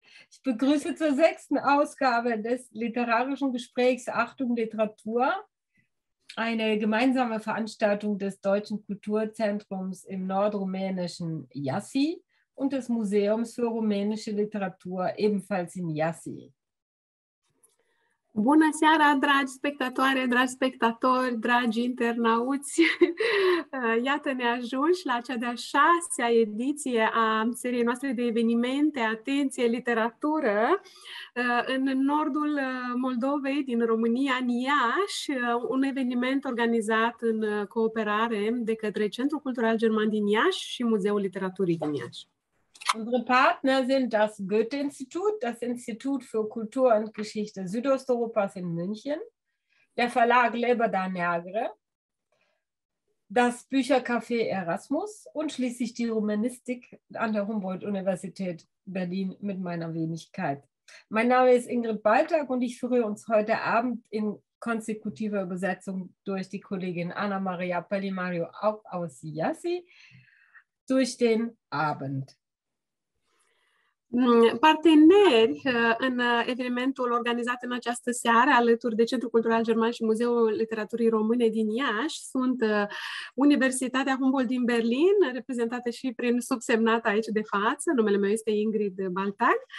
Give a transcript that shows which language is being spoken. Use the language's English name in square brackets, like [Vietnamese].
[German] Ich begrüße zur 6. Ausgabe des literarischen Gesprächs Achtung Literatur, eine gemeinsame Veranstaltung des Deutschen Kulturzentrums im nordrumänischen Iași und des Museums für rumänische Literatur ebenfalls in Iași. [Romanian] Bună seara, dragi spectatoare, dragi spectatori, dragi internauți! Iată, ne ajungi la cea de-a 6-a ediție a seriei noastre de evenimente, atenție, literatură, în nordul Moldovei, din România, în Iași, un eveniment organizat în cooperare de către Centrul Cultural German din Iași și Muzeul Literaturii din Iași. [German] Unsere Partner sind das Goethe-Institut, das Institut für Kultur und Geschichte Südosteuropas in München, der Verlag Lebada Neagră, das Büchercafé Erasmus und schließlich die Romanistik an der Humboldt-Universität Berlin mit meiner Wenigkeit. Mein Name ist Ingrid Baltag und ich führe uns heute Abend in konsekutiver Übersetzung durch die Kollegin Anna Maria Pellimario auch aus Iași durch den Abend. [Romanian] Parteneri în evenimentul organizat în această seară alături de Centrul Cultural German și Muzeul Literaturii Române din Iași sunt Universitatea Humboldt din Berlin, reprezentată și prin subsemnată aici de față, numele meu este Ingrid Baltag,